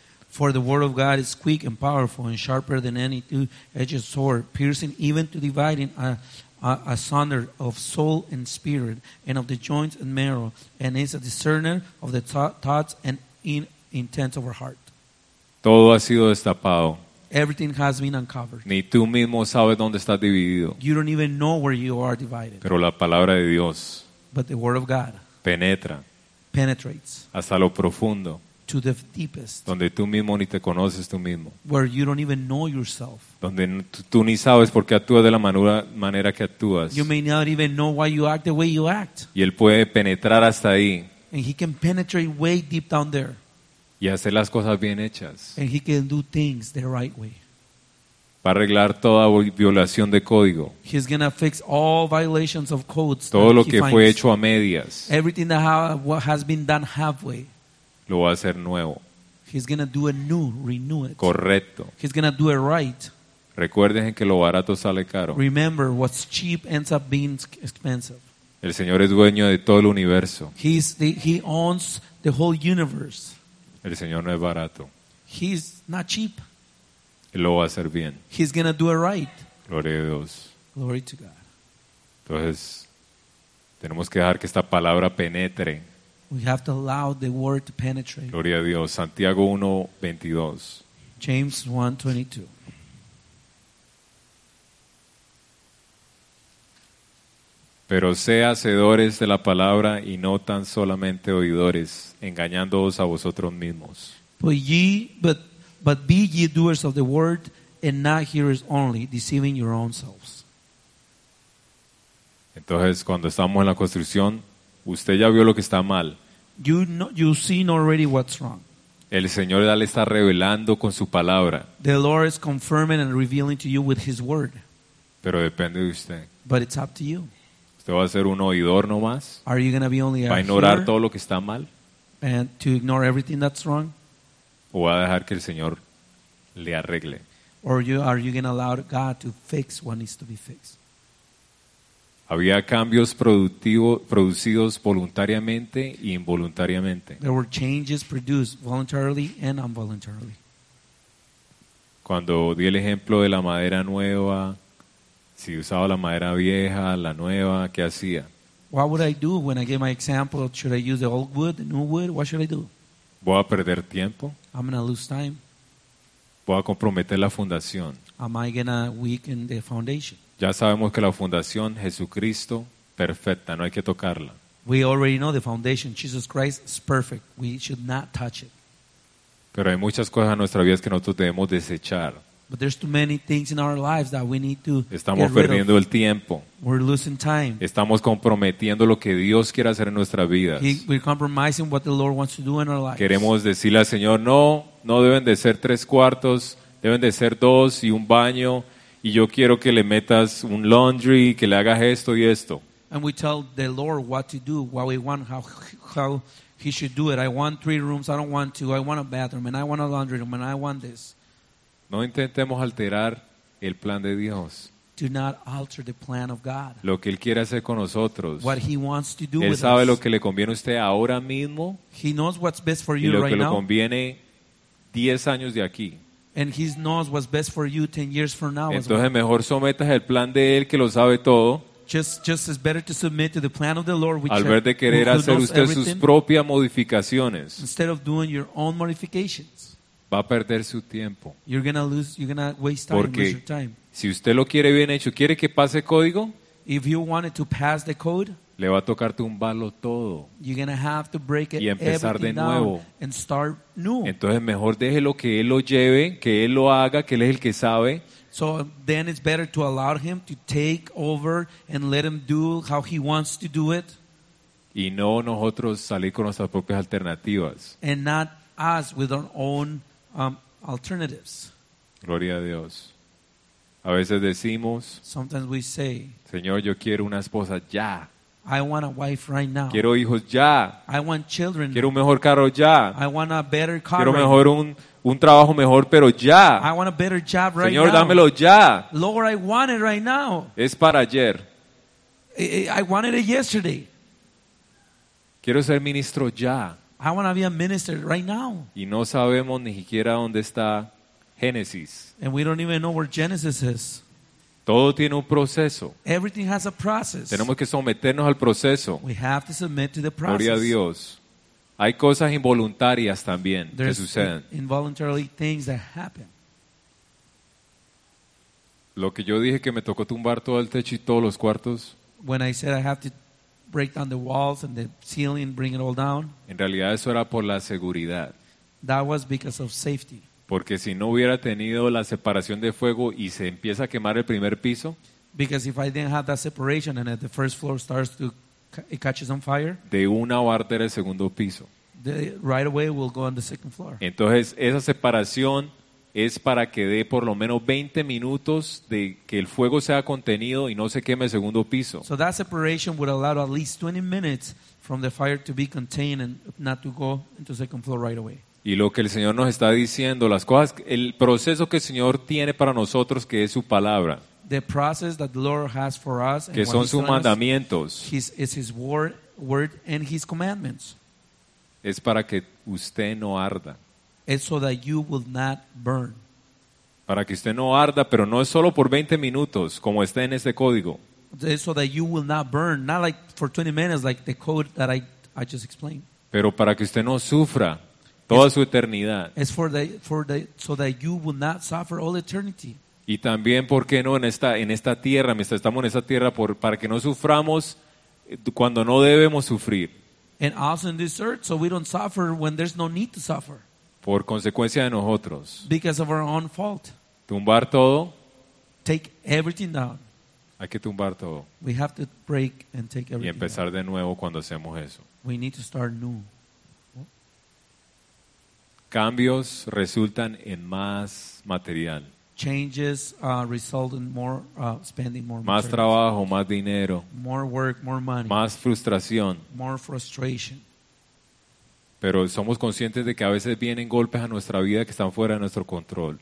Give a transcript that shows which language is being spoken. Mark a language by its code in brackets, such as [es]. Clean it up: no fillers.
[en] For the word of God is quick and powerful and sharper than any two-edged sword, piercing even to dividing asunder of soul and spirit and of the joints and marrow, and is a discerner of the thoughts and intents of our heart. [es] Todo ha sido destapado. [en] Everything has been uncovered. [es] Ni tú mismo sabes dónde estás dividido. [en] You don't even know where you are divided. [es] Pero la palabra de Dios, [en] but the word of God, [es] penetrates hasta lo profundo. [en] To the deepest, [es] donde tú mismo ni te conoces tú mismo. [en] Where you don't even know yourself. [es] Donde tú ni sabes por qué actúas de la manera que actúas. [en] You may not even know why you act the way you act. [es] Y él puede penetrar hasta ahí. [en] And he can penetrate way deep down there. [es] Y hacer las cosas bien hechas. [en] And he can do things the right way. [es] Va a arreglar toda violación de código. [en] He's gonna fix all violations of codes. [es] Todo lo que fue hecho a medias. [en] Everything that has been done halfway. [es] Lo va a hacer nuevo. [en] He's gonna do it new, renew it. [es] Correcto. [en] He's gonna do it right. [es] Recuerden que lo barato sale caro. [en] Remember, what's cheap ends up being expensive. [es] El Señor es dueño de todo el universo. [en] He owns the whole universe. [es] El Señor no es barato. [en] He's not cheap. [es] Él lo va a hacer bien. [en] He's gonna do it right. [es] Gloria a Dios. [en] Glory to God. [es] Entonces, tenemos que dejar que esta palabra penetre. [en] We have to allow the word to penetrate. [es] Gloria a Dios. Santiago 1:22. [en] James 1:22. [es] Pero sea hacedores de la palabra y no tan solamente oidores, engañándoos a vosotros mismos. [en] But be ye doers of the word and not hearers only, deceiving your own selves. [es] Entonces, cuando estamos en la construcción, usted ya vio lo que está mal. [en] You've seen already what's wrong. [es] El Señor ya le está revelando con su palabra. [en] The Lord is confirming and revealing to you with His word. [es] Pero depende de usted. [en] But it's up to you. [es] ¿Usted va a ser un oidor nomás? [en] Are you going to be only a hearer? [es] ¿Va a ignorar todo lo que está mal? [en] And to ignore everything that's wrong? [es] ¿O va a dejar que el Señor le arregle? [en] Or are you going to allow God to fix what needs to be fixed? [es] Había cambios producidos voluntariamente e involuntariamente. [en] There were changes produced voluntarily and involuntarily. [es] Cuando di el ejemplo de la madera nueva, si usaba la madera vieja, la nueva, ¿qué hacía? [en] What would I do when I gave my example? Should I use the old wood, the new wood? What should I do? [es] ¿Voy a perder tiempo? [en] I'm going to lose time. [es] ¿Voy a comprometer la fundación? [en] Am I going to weaken the foundation? [es] Ya sabemos que la fundación Jesucristo perfecta, no hay que tocarla. [en] We already know the foundation Jesus Christ is perfect. We should not touch it. [es] Pero hay muchas cosas en nuestra vida que nosotros debemos desechar. [en] But there's too many things in our lives that we need to. [es] Estamos perdiendo el tiempo. [en] We're losing time. [es] Estamos comprometiendo lo que Dios quiere hacer en nuestra vida. [en] We're compromising what the Lord wants to do in our lives. [es] Queremos decirle al Señor, no deben de ser tres cuartos, deben de ser dos y un baño. Y yo quiero que le metas un laundry, que le hagas esto y esto. [en] And we tell the Lord what to do, what we want, how he should do it. I want three rooms, I don't want two. I want a bathroom, and I want a laundry room, and I want this. [es] No intentemos alterar el plan de Dios. [en] Do not alter the plan of God. [es] Lo que él quiere hacer con nosotros. [en] What he wants to do [es] él [en] with us. [es] Él sabe lo que le conviene a usted ahora mismo. [en] He knows what's best for you right now. [es] Y lo que le conviene 10 años de aquí. [en] And he knows what's best for you 10 years from now. [es] Entonces mejor sometas el plan de él que lo sabe todo. [en] Just it's better to submit to the plan of the Lord, which [es] al ver de querer hacer usted sus propias modificaciones. [en] Instead of doing your own modifications. [es] va a perder su tiempo. [en] You're gonna lose, you're gonna waste time. [es] Porque [en] waste your time. [es] Si usted lo quiere bien hecho, quiere que pase código. [en] If you wanted to pass the code, [es] le va a tocar tumbarlo todo. [en] You're gonna have to break it [es] y empezar de nuevo. [en] And start new. [es] Entonces mejor déjelo que él lo lleve, que él lo haga, que él es el que sabe. [en] So then it's better to allow him to take over and let him do how he wants to do it. [es] Y no nosotros salir con nuestras propias alternativas. [en] And not us with our own alternatives. [es] Gloria a Dios. A veces decimos, [en] sometimes we say, [es] Señor, yo quiero una esposa ya. [en] I want a wife right now. [es] Quiero hijos ya. [en] I want children. [es] Quiero un mejor carro ya. [en] I want a better car. [es] Quiero mejor un trabajo mejor, pero ya. [en] I want a better job right now. [es] Señor, dámelo ya. [en] Lord, I want it right now. [es] Es para ayer. [en] I wanted it yesterday. [es] Quiero ser ministro ya. [en] I want to be a minister right now. [es] Y no sabemos ni siquiera dónde está Génesis. [en] And we don't even know where Genesis is. [es] Todo tiene un proceso. [en] Everything has a process. [es] Tenemos que someternos al proceso. [en] We have to submit to the process. [es] Gloria a Dios. Hay cosas involuntarias también. [en] There's [es] que suceden. [en] Involuntary things that happen. [es] Lo que yo dije que me tocó tumbar todo el techo y todos los cuartos. [en] When I said I have to break down the walls and the ceiling, bring it all down. [es] En realidad eso era por la seguridad. [en] That was because of safety. [es] Porque si no hubiera tenido la separación de fuego y se empieza a quemar el primer piso. [en] Because if I didn't have that separation and the first floor starts to it catches on fire. [es] De una va a arder el segundo piso. [en] Right away we'll go on the second floor. [es] Entonces esa separación es para que dé por lo menos 20 minutos de que el fuego sea contenido y no se queme el segundo piso. [en] So that separation would allow at least 20 minutes from the fire to be contained and not to go into second floor right away. [es] Y lo que el Señor nos está diciendo, las cosas, el proceso que el Señor tiene para nosotros, que es su palabra. [en] The process that the Lord has for us, [es] que son sus mandamientos. [en] Is his word and his commandments. [es] Es para que usted no arda. [en] It's so that you will not burn. [es] Para que usted no arda, pero no es solo por 20 minutos, como está en este código. [en] It's so that you will not burn, not like for 20 minutes, like the code that I just explained. [es] Pero para que usted no sufra toda su eternidad. [en] It's so that you will not suffer all eternity. [es] Y también, ¿por qué no en esta tierra? Estamos en esta tierra para que no suframos cuando no debemos sufrir. [en] And also in this earth, so we don't suffer when there's no need to suffer. [es] Por consecuencia de nosotros. [en] Because of our own fault. [es] Tumbar todo. [en] Take everything down. [es] Hay que tumbar todo. [en] We have to break and take everything down. [es] Y empezar de nuevo cuando hacemos eso. [en] We need to start new. [es] Cambios resultan en más material. [en] Changes result in more spending more [es] material. Más trabajo, más dinero. [en] More work, more money. [es] Más frustración. [en] More frustration. [es] Pero somos conscientes de que a veces vienen golpes a nuestra vida que están fuera de nuestro control.